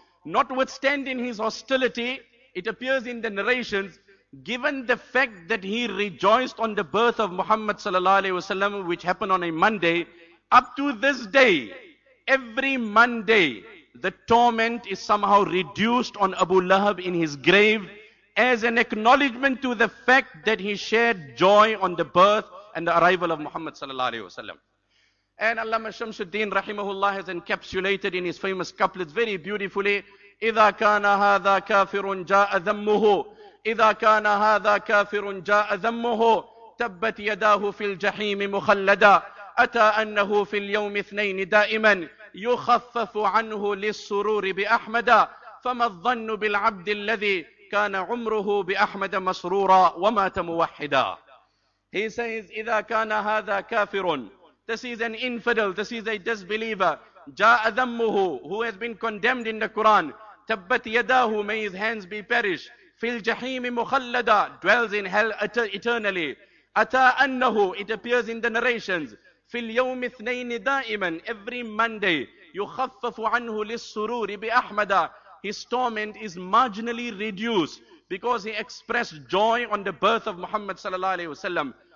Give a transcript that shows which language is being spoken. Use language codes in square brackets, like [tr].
[en] Notwithstanding his hostility, it appears in the narrations, given the fact that he rejoiced on the birth of Muhammad sallallahu alaihi wasallam, which happened on a Monday, up to this day, every Monday, the torment is somehow reduced on Abu Lahab in his grave as an acknowledgement to the fact that he shared joy on the birth and the arrival of Muhammad sallallahu alaihi wasallam. And Allama Shamsuddin rahimahullah has encapsulated in his famous couplets very beautifully, [ar] إِذَا كَانَ هَذَا كَافِرٌ جَاءَ ذَمُّهُ إِذَا كَانَ هَذَا كَافِرٌ جَاءَ ذَمُّهُ تَبَّتْ يَدَاهُ فِي الْجَحِيمِ مُخَلَّدًا أَتَى أَنَّهُ فِي الْيَوْمِ اثْنَيْنِ دَائِمًا يُخَفَّفُ عَنْهُ لِلسُّرُورِ بِأَحْمَدَ فَمَا الظَّنُّ بِالْعَبْدِ الَّذِي كَانَ عُمْرُهُ بِأَحْمَدَ مَسْرُورًا وَمَاتَ مُوَحِّدًا. [en] He says, [ar] إِذَا كَانَ هَذَا كَافِرٌ, [en] this is an infidel, this is a disbeliever, [ar] جَاءَ ذَمُّهُ, [en] who has been condemned in the Quran, [ar] تَبَّتْ يَدَاهُ, [en] may his hands be perished, [ar] فِي الْجَحِيمِ مُخَلَّدًا, [en] dwells in hell eternally, [ar] أَتَى أَنَّهُ, [en] it appears in the narrations, [ar] فِي الْيَوْمِ اثْنَيْنِ دَائِمًا, [en] every Monday, [ar] يُخَفَّفُ عَنْهُ لِلسُّرُورِ بِأَحْمَدًا, [en] his torment is marginally reduced, because he expressed joy on the birth of Muhammad sallallahu alayhi wa sallam.